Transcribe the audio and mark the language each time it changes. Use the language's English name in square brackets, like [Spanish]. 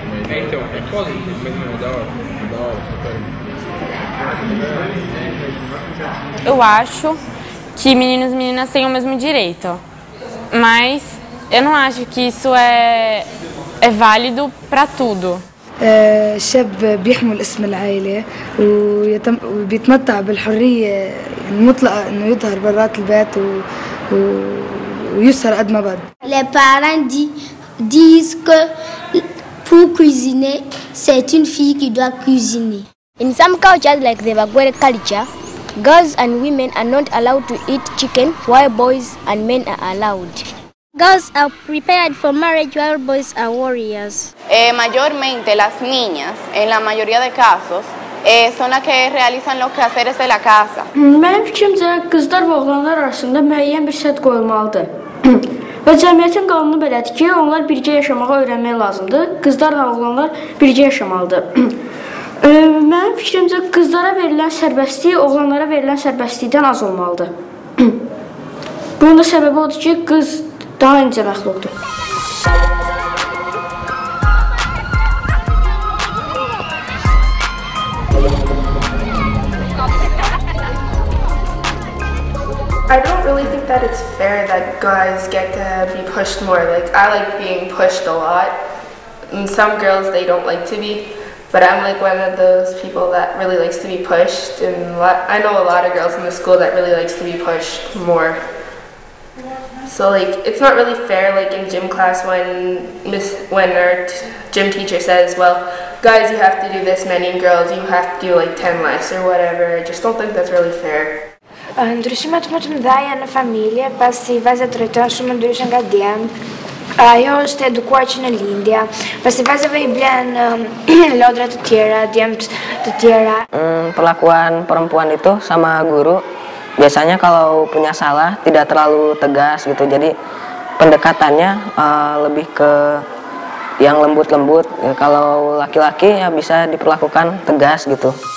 [Portuguese] É, então, é quase o mesmo modal. Eu acho que meninos e meninas têm o mesmo direito, mas eu não acho que isso é válido para tudo. [Arabic] شاب بيحمل اسم العائلة ويتم وبيتمتع بالحرية المطلقة إنه يظهر برات البيت ويسهر قد ما بد. [French] Les parents disent que pour cuisiner, c'est une fille qui doit cuisiner. [English] In some cultures like the Bagwere culture, girls and women are not allowed to eat chicken while boys and men are allowed. Girls are prepared for marriage while boys are warriors. [Spanish] Mayormente las niñas, en la mayoría de casos, son las que realizan los quehaceres de la casa. [Azerbaijani] Benim fikrimce kızlar ve oğlanlar arasında müəyyən bir sədd qoyulmalıdır. Və cəmiyyətin qanunu belədir ki, onlar birgə yaşamağı öyrənmək lazımdır. Qızlar ve oğlanlar birgə yaşamalıdır. Mənim fikrimcə qızlara verilən sərbəstlik oğlanlara verilən sərbəstlikdən az olmalıdır. Bunun da səbəbi odur ki, qız daha incə məxluqdur. [English] I don't really think that it's fair that guys get to be pushed more. Like, I like being pushed a lot. And some girls, they don't like to be. But I'm like one of those people that really likes to be pushed, and I know a lot of girls in the school that really likes to be pushed more. So like, it's not really fair, like in gym class when our gym teacher says, well, guys, you have to do this many, and girls, you have to do like 10 less or whatever. I just don't think that's really fair. [Albanian] Ndryshimet më të mëdha në familje pas si vajzat rritën shumë ndryshe nga djemtë. Ajo është edukuar që në lindje, pasi vajzave i blen lodra të tjera, djemt të tjera. [Indonesian] Perlakuan perempuan itu sama guru, biasanya kalau punya salah tidak terlalu tegas gitu, jadi pendekatannya lebih ke yang lembut-lembut. Kalau laki-laki ya bisa diperlakukan tegas gitu.